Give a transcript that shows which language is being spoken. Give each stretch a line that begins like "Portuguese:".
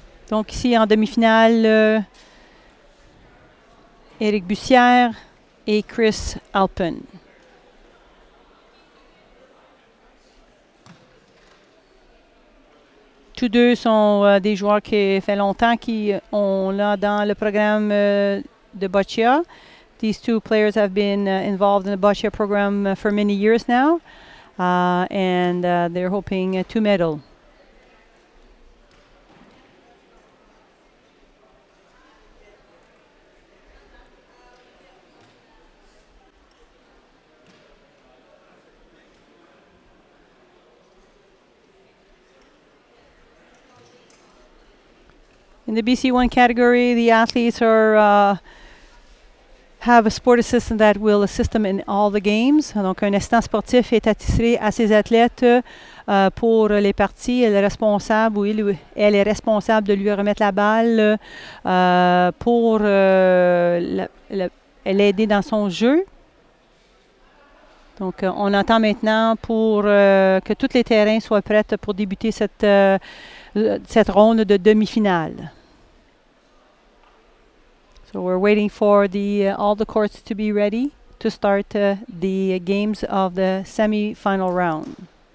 French: Donc ici en demi-finale, Éric Bussière et Chris Halpen. Tous deux sont des joueurs qui fait longtemps qui ont là dans le programme de boccia.
English: These two players have been involved in the boccia program for many years now, and they're hoping to medal. In the BC1 category, the athletes have a sport assistant that will assist them in all the games.
French: Donc, un assistant sportif est attitré à ses athlètes pour les parties. Elle est responsable, ou elle est responsable de lui remettre la balle pour l'aider dans son jeu. Donc, on attend maintenant pour que tous les terrains soient prêts pour débuter cette ronde de demi-finale.
English: So we're waiting for the all the courts to be ready to start the games of the semi-final round.